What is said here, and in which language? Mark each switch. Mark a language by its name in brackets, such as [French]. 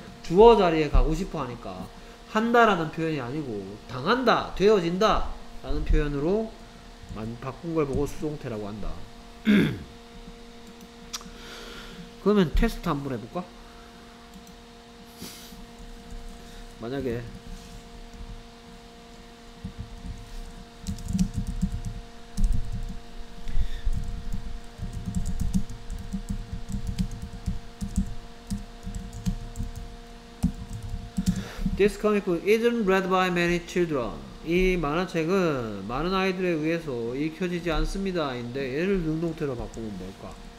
[Korean] 주어 자리에 가고 싶어 하니까. 한다라는 표현이 아니고, 당한다, 되어진다, 라는 표현으로 바꾼 걸 보고 수동태라고 한다. 그러면 테스트 한번 해볼까? 만약에 [English] This comic book isn't read by many children. [Korean] 이 만화책은 많은 아이들에 의해서 읽혀지지 않습니다. 인데 얘를 능동태로 바꾸면 뭘까?